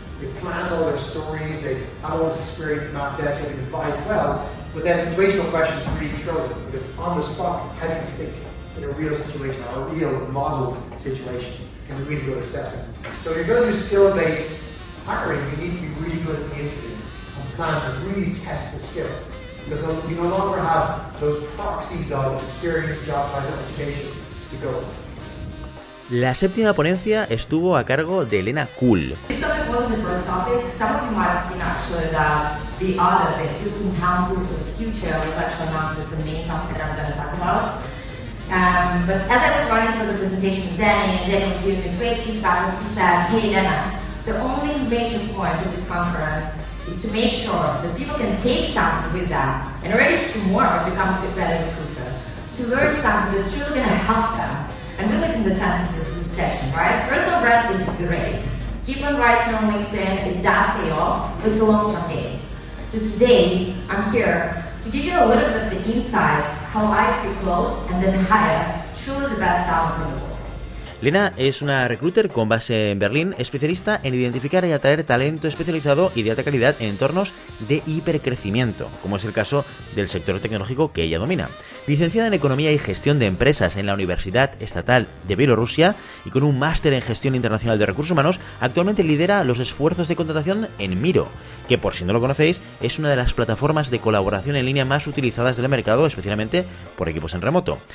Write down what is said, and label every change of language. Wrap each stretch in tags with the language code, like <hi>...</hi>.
<en>They planned all their stories, they have all this experience mapped out, they've advised well, but then situational questions really throw them, because on the spot, how do you think in a real situation, or a real modeled situation, can be really good assessing. So if you're going to do skill-based hiring, you need to be really good at the interview. Plan to really test the skills, because you no longer have those proxies of experience, job title, education to go.</en> <es>La séptima ponencia estuvo a cargo de Elena Kuhl.</es> <en>This topic wasn't the first topic. Some of you might have seen actually that the other, the Hilton Town Group for the future, was actually announced as the main topic that I'm going to talk about. But as I was running through the presentation, Danny was giving me great feedback, and he said, hey Elena, the only major point of this conference is to make sure that people can take something with them and ready tomorrow become a better recruiter. To learn something that's truly going to help them. And we're making the test of the group session, right? Personal brand is great. Keep on writing on LinkedIn, it does pay off, but it's a long-term game. So So today, I'm here to give you a little bit of the insights how I pre-close and then hire truly the best talent in the world.</en> <es>Lena es una recruiter con base en Berlín, especialista en identificar y atraer talento especializado y de alta calidad en entornos de hipercrecimiento, como es el caso del sector tecnológico que ella domina. Licenciada en Economía y Gestión de Empresas en la Universidad Estatal de Bielorrusia y con un máster en Gestión Internacional de Recursos Humanos, actualmente lidera los esfuerzos de contratación en Miro, que por si no lo conocéis, es una de las plataformas de colaboración en línea más utilizadas del mercado, especialmente por equipos en remoto.</es>